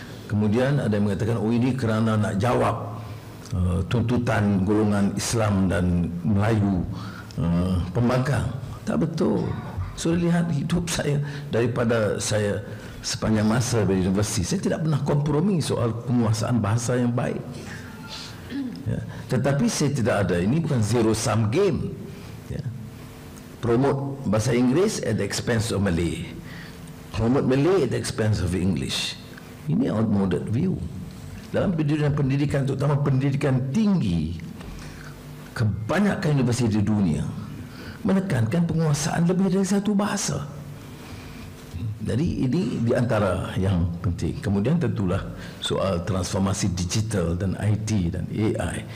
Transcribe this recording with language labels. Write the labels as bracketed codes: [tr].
[ms] Kemudian ada yang mengatakan, oh ini kerana nak jawab tuntutan golongan Islam dan Melayu pembangkang. Tak betul. Sudah lihat hidup saya, daripada saya sepanjang masa di universiti, saya tidak pernah kompromi soal penguasaan bahasa yang baik. Ya. Tetapi saya tidak ada, ini bukan zero sum game, ya. [en] Promote [ms] bahasa Inggeris [en] at the expense of Malay, promote Malay at the expense of English. [ms] Ini outmoded view. Dalam bidang pendidikan, terutama pendidikan tinggi, kebanyakan universiti di dunia menekankan penguasaan lebih dari satu bahasa. Jadi ini di antara yang penting. Kemudian tentulah soal transformasi digital dan IT dan AI.